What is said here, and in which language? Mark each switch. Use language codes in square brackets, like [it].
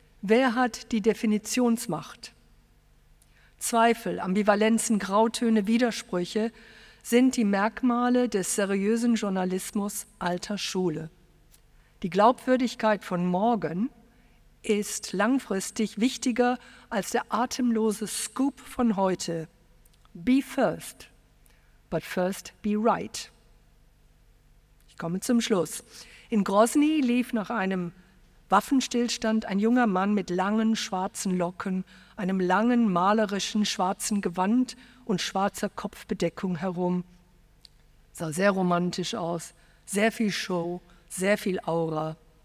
[de] Wer hat die Definitionsmacht? Zweifel, Ambivalenzen, Grautöne, Widersprüche sind die Merkmale des seriösen Journalismus alter Schule. Die Glaubwürdigkeit von morgen ist langfristig wichtiger als der atemlose Scoop von heute. [en] Be first, but first be right. [de] Ich komme zum Schluss. In Grozny lief nach einem Waffenstillstand ein junger Mann mit langen schwarzen Locken, einem langen malerischen schwarzen Gewand und schwarzer Kopfbedeckung herum. Sah sehr romantisch aus, sehr viel Show, sehr viel Aura.